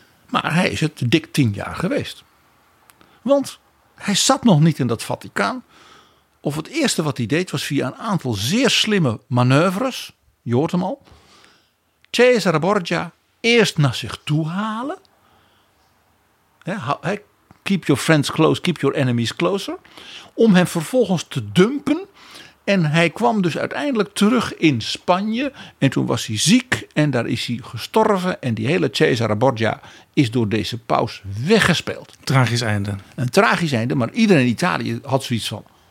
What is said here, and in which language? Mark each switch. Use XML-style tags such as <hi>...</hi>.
<nl>Maar hij is het dik 10 jaar geweest. Want hij zat nog niet in dat Vaticaan. Of het eerste wat hij deed was via een aantal zeer slimme manoeuvres. Je hoort hem al. Cesare Borgia eerst naar zich toe halen.</nl> <en>Keep your friends close, keep your enemies closer.</en> <nl>Om hem vervolgens te dumpen. En hij kwam dus uiteindelijk terug in Spanje. En toen was hij ziek en daar is hij gestorven. En die hele Cesare Borgia is door deze paus weggespeeld. Tragisch einde. Een tragisch einde, maar iedereen in Italië had zoiets van...</nl>